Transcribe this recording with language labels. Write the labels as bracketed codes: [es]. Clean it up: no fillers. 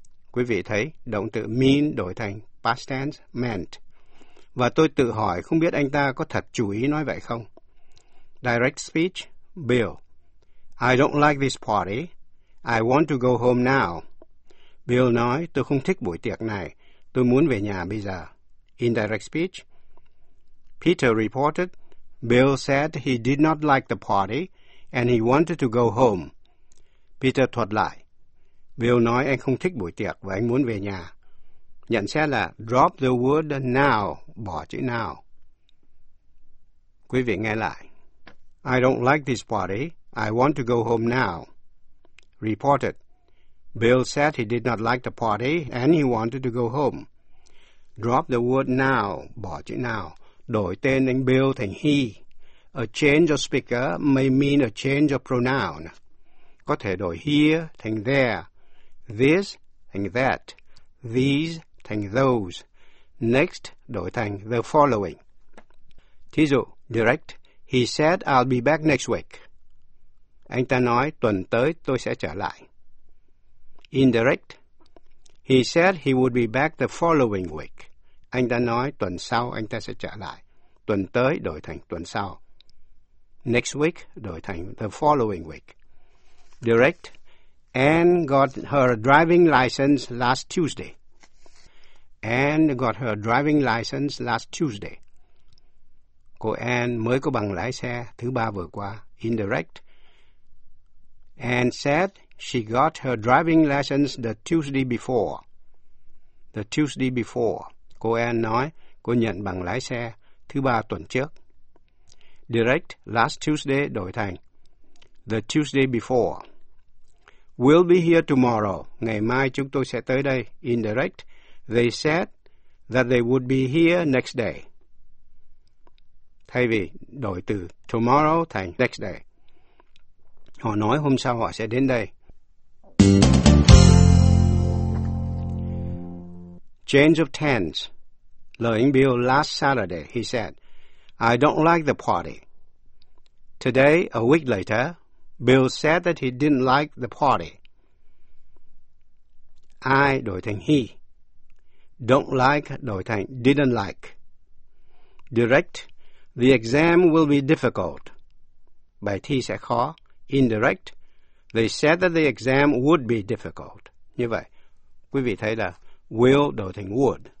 [vi] Quý vị thấy, động từ mean đổi thành past tense meant. Và tôi tự hỏi không biết anh ta có thật chủ ý nói vậy không? [en] Direct speech. Bill. I don't like this party. I want to go home now. [vi] Bill nói, tôi không thích buổi tiệc này. Tôi muốn về nhà bây giờ. [en] Indirect speech. Peter reported, Bill said he did not like the party and he wanted to go home. [vi] Peter thuật lại, Bill nói anh không thích buổi tiệc và anh muốn về nhà. Nhận xét là [en] drop the word now, [vi] bỏ chữ now. Quý vị nghe lại. [en] I don't like this party. I want to go home now. Reported. Bill said he did not like the party and he wanted to go home. Drop the word now, [vi] bỏ chữ now. Đổi tên anh Bill thành he. [en] A change of speaker may mean a change of pronoun. [vi] Có thể đổi here thành there. This thành that. These thành those. Next, đổi thành the following. Thí dụ, [en] direct. He said I'll be back next week. [vi] Anh ta nói tuần tới tôi sẽ trở lại. [en] Indirect. He said he would be back the following week. [vi] Anh ta nói tuần sau anh ta sẽ trở lại. Tuần tới đổi thành tuần sau. [en] Next week [vi] đổi thành [en] the following week. Direct. Anne got her driving license last Tuesday. Anne got her driving license last Tuesday. [vi] Cô Anne mới có bằng lái xe thứ ba vừa qua. [en] Indirect. Anne said she got her driving license the Tuesday before. The Tuesday before. [vi] Cô Anne nói cô nhận bằng lái xe thứ ba tuần trước. [en] Direct, last Tuesday [vi] đổi thành [en] the Tuesday before. We'll be here tomorrow. [vi] Ngày mai chúng tôi sẽ tới đây. [en] Indirect. They said that they would be here next day. [vi] Thay vì đổi từ tomorrow thành next day. Họ nói hôm sau họ sẽ đến đây. [en] Change of tense. [vi] Lời anh Bill [en] last Saturday, he said, I don't like the party. Today, a week later, Bill said that he didn't like the party. I [vi] đổi thành [en] he. Don't like đổi thành didn't like. Direct, the exam will be difficult. [vi] Bài thi sẽ khó. [en] Indirect, they said that the exam would be difficult. [vi] Như vậy, quý vị thấy là will đổi thành would.